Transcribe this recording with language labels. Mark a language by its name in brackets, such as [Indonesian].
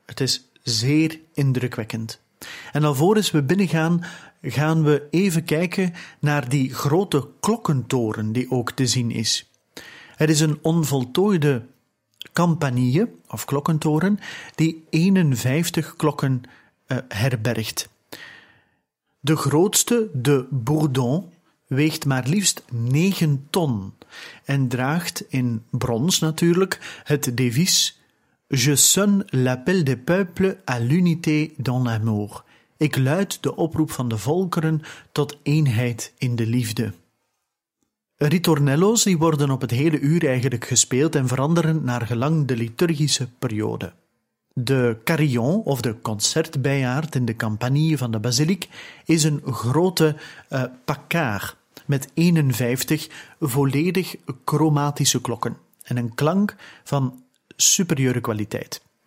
[Dutch] Het is zeer indrukwekkend. En alvorens we binnengaan, gaan we even kijken naar die grote klokkentoren die ook te zien is. Er is een onvoltooide campanille of klokkentoren die 51 klokken herbergt. De grootste, de Bourdon, weegt maar liefst 9 ton en draagt in brons natuurlijk het devies [French] Je sonne l'appel des peuples à l'unité dans l'amour. [Dutch] Ik luid de oproep van de volkeren tot eenheid in de liefde. Ritornello's die worden op het hele uur eigenlijk gespeeld en veranderen naar gelang de liturgische periode. De carillon of de concertbijaard in de campanille van de basiliek is een grote pacard met 51 volledig chromatische klokken en een klank van superieure kwaliteit.